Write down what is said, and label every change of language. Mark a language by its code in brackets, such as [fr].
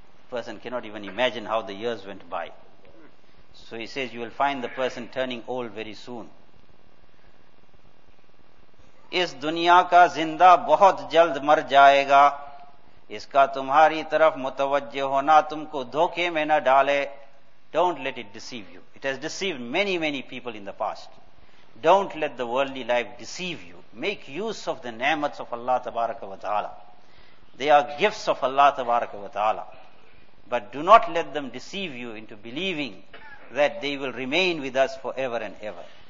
[en] Person cannot even imagine how the years went by. So he says, you will find the person turning old very soon. [ur] اس دنیا کا زندہ بہت جلد مر جائے گا, اس کا تمہاری طرف متوجہ ہونا تم کو دھوکے میں نہ ڈالے. [en] Don't let it deceive you. It has deceived many, many people in the past. Don't let the worldly life deceive you. Make use of the ni'mats of Allah tabaraka wa ta'ala. They are gifts of Allah tabaraka wa ta'ala. But do not let them deceive you into believing that they will remain with us forever and ever.